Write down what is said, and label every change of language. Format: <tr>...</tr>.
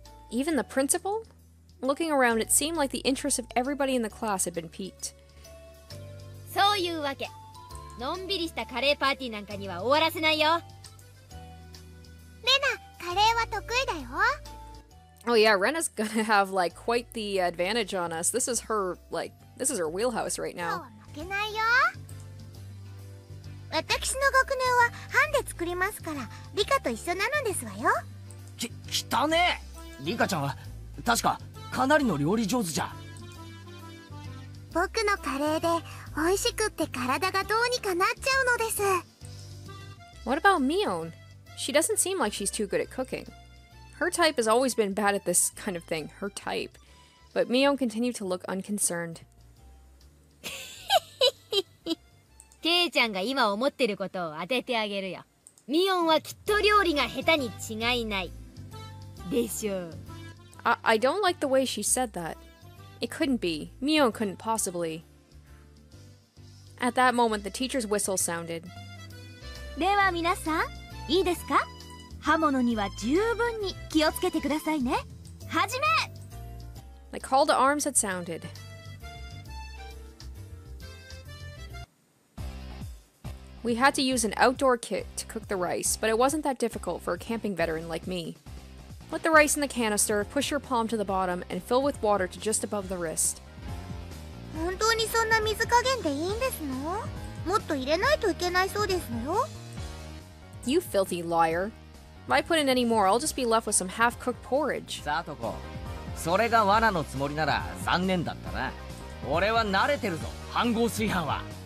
<en>Even the principal? Looking around, it seemed like the interest of everybody in the class had been piqued. So you wake.</en> <ja>のんびりしたカレーパーティーなんかには終わらせないよ。レナ、カレーは得意だよ。</ja> <en>Oh yeah, Rena's gonna have like quite the advantage on us. This is her like, this is her wheelhouse right now.</en> <ja>負けないよ。私の学年は班で作りますから、リカと一緒なのですわよ。汚ねえ。リカちゃんは確かかなりの料理上手じゃ。僕のカレーで美味しくって体がどうにかなっちゃうのです。</ja> <en>What about Mion? She doesn't seem like she's too good at cooking. Her type has always been bad at this kind of thing, her type. But Mion continued to look unconcerned.</en> <ja>ケイちゃんが今思ってることを当ててあげるよ。ミオンはきっと料理が下手に違いない。でしょう。</ja> <en>I don't like the way she said that. It couldn't be. Mion couldn't possibly... At that moment, the teacher's whistle sounded.</en> <ja>では皆さん、いいですか？刃物には十分に気をつけてくださいね。はじめ！</ja> <en>The call to arms had sounded. We had to use an outdoor kit to cook the rice, but it wasn't that difficult for a camping veteran like me. Put the rice in the canister, push your palm to the bottom, and fill with water to just above the wrist.</en> <ja>本当にそんな水加減でいいんですの？もっと入れないといけないそうですよ。</ja> <en>You filthy liar. If I put in any more, I'll just be left with some half-cooked porridge.</en> <ja>さあ、とこ。それが罠のつもりなら残念だったな。俺は慣れてるぞ、半合炊飯は。</ja>